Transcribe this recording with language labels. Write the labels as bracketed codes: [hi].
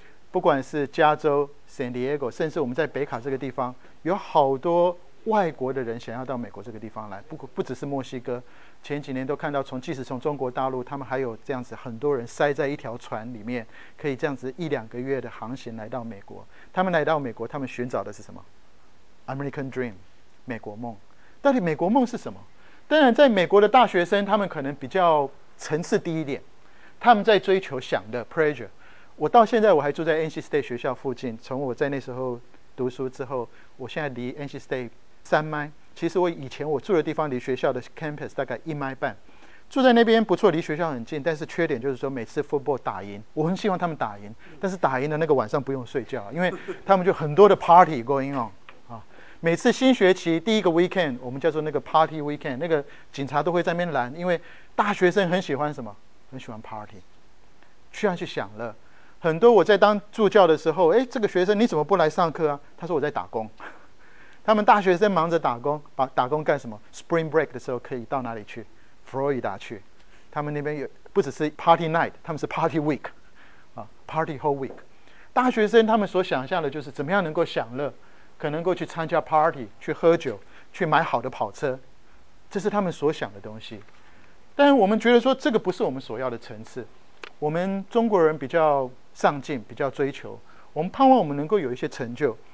[zh] 不管是加州 San Diego， 甚至我们在北卡这个地方有好多外国的人想要到美国这个地方来， 不只是墨西哥，前几年都看到即使从中国大陆，他们还有这样子很多人塞在一条船里面，可以这样子一两个月的航行来到美国。他们来到美国，他们寻找的是什么？ [en] American Dream， [zh] 美国梦。到底美国梦是什么？当然在美国的大学生他们可能比较层次低一点，他们在追求想的 pressure。我到现在我还住在 NC State 学校附近，从我在那时候读书之后，我现在离 NC State 3 miles。其实我以前我住的地方离学校的 campus 大概1.5 miles，住在那边不错，离学校很近。但是缺点就是说每次 football 打赢，我很希望他们打赢，但是打赢的那个晚上不用睡觉，因为他们就很多的 party going on。每次新学期第一个 weekend， 我们叫做那个 party weekend， 那个警察都会在那边拦，因为大学生很喜欢什么？很喜欢 party， 需要去享乐。很多我在当助教的时候，哎，这个学生你怎么不来上课啊？他说我在打工。他们大学生忙着打工，打工干什么？Spring break 的时候可以到哪里去？ Florida 去。他们那边有不只是 party night， 他们是 party week， [en] party whole week。 [zh] 大学生他们所想象的就是怎么样能够享乐，可能够去参加 party， 去喝酒，去买好的跑车，这是他们所想的东西。但我们觉得说这个不是我们所要的层次。我们中国人比较上进，比较追求，我们盼望我们能够有一些成就。